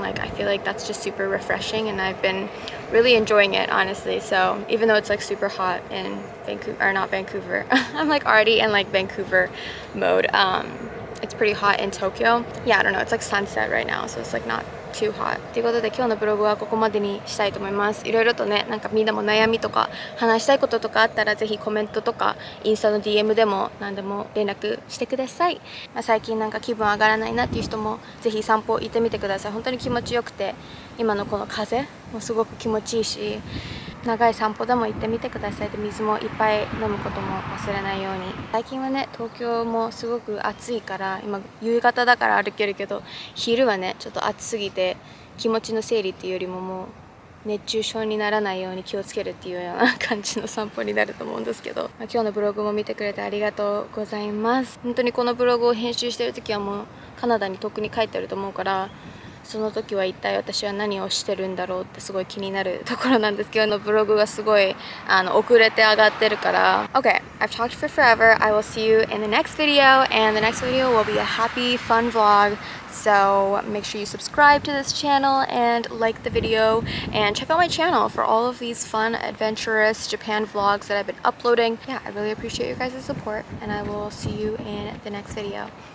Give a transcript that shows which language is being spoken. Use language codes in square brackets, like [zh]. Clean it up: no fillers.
[en] Like, I feel like that's just super refreshing, and I've been really enjoying it, honestly. So even though it's like super hot in Vancouver, or not Vancouver, I'm like already in like Vancouver mode. It's pretty hot in Tokyo. Yeah, I don't know, it's like sunset right now, so it's like not too hot. [ja] ということで今日のブログはここまでにしたいと思います。いろいろとね、なんかみんなも悩みとか話したいこととかあったら、ぜひコメントとかインスタの DM でも何でも連絡してください。まあ、最近なんか気分上がらないなっていう人もぜひ散歩行ってみてください。本当に気持ちよくて、今のこの風もすごく気持ちいいし、長い散歩でも行ってみてください。で、水もいっぱい飲むことも忘れないように。最近はね、東京もすごく暑いから、今夕方だから歩けるけど、昼はね、ちょっと暑すぎて、気持ちの整理っていうよりももう、熱中症にならないように気をつけるっていうような感じの散歩になると思うんですけど、まあ、今日のブログも見てくれてありがとうございます。本当にこのブログを編集してる時はもう、カナダにとっくに帰ってると思うから、その時は一体私は何をしてるんだろうってすごい気になるところなんですけど、ブログがすごい遅れて上がってるから。 [en] Okay, I've talked for forever. I will see you in the next video, and the next video will be a happy, fun vlog. So make sure you subscribe to this channel and like the video, and check out my channel for all of these fun, adventurous Japan vlogs that I've been uploading. Yeah, I really appreciate your guys' support, and I will see you in the next video.